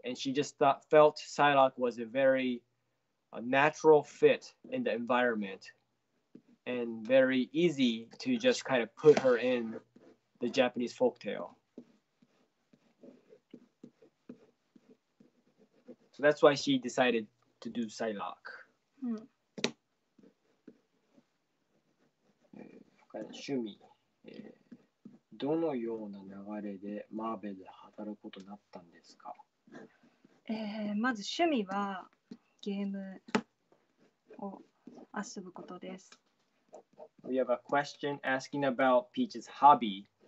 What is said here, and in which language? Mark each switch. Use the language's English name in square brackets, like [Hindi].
[English] And she just thought, felt Psylocke was a very natural fit in the environment and very easy to just kind of put her in the Japanese folk tale. So that's why she decided to do Psylocke. [Japanese] 趣味、どのような流れでマーベルで働くことになったんですか。まず趣味はゲームを遊ぶことです。 [English] We have a question asking about Peach's hobby.